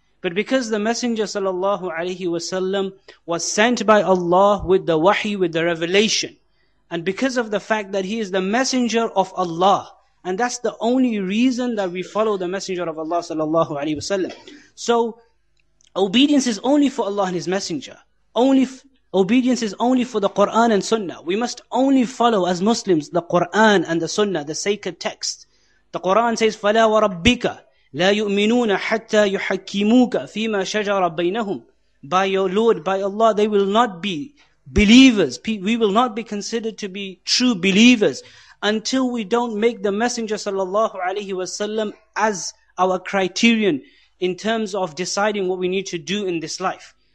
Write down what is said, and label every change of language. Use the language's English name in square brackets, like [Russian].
[English] But because the Messenger sallallahu alayhi wa sallam was sent by Allah with the wahi, with the revelation, and because of the fact that he is the Messenger of Allah, and that's the only reason that we follow the Messenger of Allah sallallahu alayhi wa sallam. So obedience is only for Allah and His Messenger. Obedience is only for the Quran and Sunnah. We must only follow as Muslims the Quran and the Sunnah, the sacred text. The Quran says, [Arabic] فَلَا وَرَبِّكَ لَا يُؤْمِنُونَ حَتَّى يُحَكِّمُوكَ فِيمَا شَجَرَ بَيْنَهُمْ. [English] By your Lord, by Allah, they will not be believers. We will not be considered to be true believers until we don't make the Messenger sallallahu alayhi wa sallam as our criterion in terms of deciding what we need to do in this life.